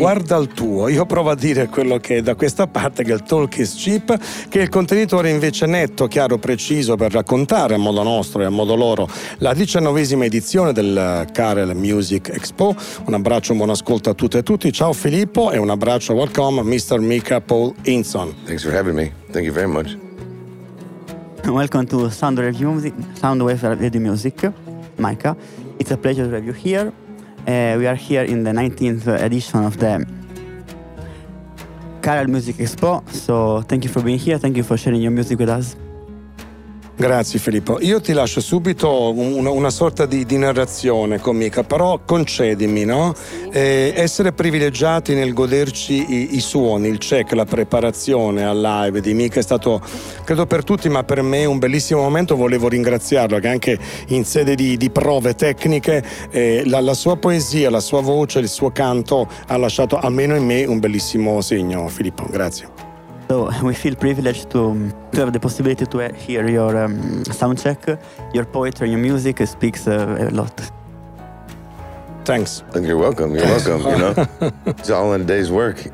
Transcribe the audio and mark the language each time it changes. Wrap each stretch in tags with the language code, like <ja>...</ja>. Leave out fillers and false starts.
<it>Guarda il tuo, io provo a dire quello che è da questa parte, che il</it> <en>talk is cheap,</en> <it>che è il contenitore invece netto, chiaro, preciso, per raccontare a modo nostro e a modo loro la 19ª edizione del Karel Music Expo. Un abbraccio, un buon ascolto a tutte e tutti. Ciao Filippo e un abbraccio,</it> <en>welcome Mr. Mika Paul Inson. Thanks for having me, thank you very much. Welcome to Sound Review Music, Soundwave Radio Music, Mika. It's a pleasure to have you here. We are here in the 19th edition of the Karel Music Expo. So thank you for being here. Thank you for sharing your music with us.</en> <it>Grazie Filippo. Io ti lascio subito una sorta di narrazione con Mika, però concedimi, no? Essere privilegiati nel goderci i suoni, il check, la preparazione al live di Mika è stato, credo per tutti, ma per me un bellissimo momento. Volevo ringraziarlo, che anche in sede di prove tecniche la sua poesia, la sua voce, il suo canto ha lasciato almeno in me un bellissimo segno, Filippo. Grazie.</it> <en>So we feel privileged to have the possibility to hear your sound check, your poetry, your music speaks a lot. Thanks. And you're welcome. You're welcome. You know, it's all in a day's work.</en>